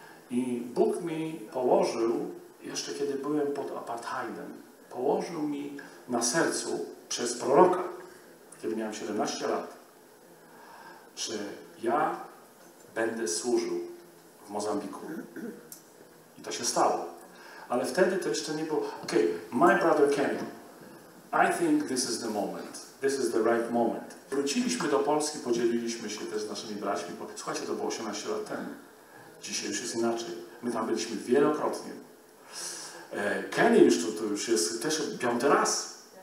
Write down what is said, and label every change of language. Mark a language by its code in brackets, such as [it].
[pl] I Bóg mi położył, jeszcze kiedy byłem pod apartheidem, położył mi na sercu przez proroka, kiedy miałem 17 lat, że ja będę służył w Mozambiku. I to się stało. Ale wtedy to jeszcze nie było. [en] Okay, my brother Kenny, I think this is the moment. This is the right moment. [pl] Wróciliśmy do Polski, podzieliliśmy się też z naszymi braćmi. Bo, słuchajcie, to było 18 lat temu. Dzisiaj już jest inaczej. My tam byliśmy wielokrotnie. Kenny już to już jest też piąty raz.